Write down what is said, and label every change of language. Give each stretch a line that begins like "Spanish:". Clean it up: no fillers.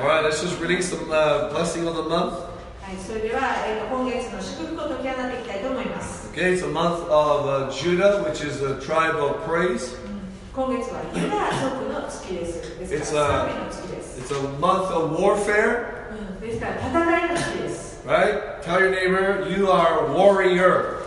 English: All right, let's just release some blessing of the month.
Japanese: はい、それでは、今月の祝福を解き放っていきたいと思います。
English: Okay, it's the month of Judah, which is the tribe of praise.
Japanese: 今月はユダ族の月です。ですから、賛美の月です。
English: It's a month of warfare.
Japanese: ですから、戦いの月です。
English: Right? Tell your neighbor, you are a warrior.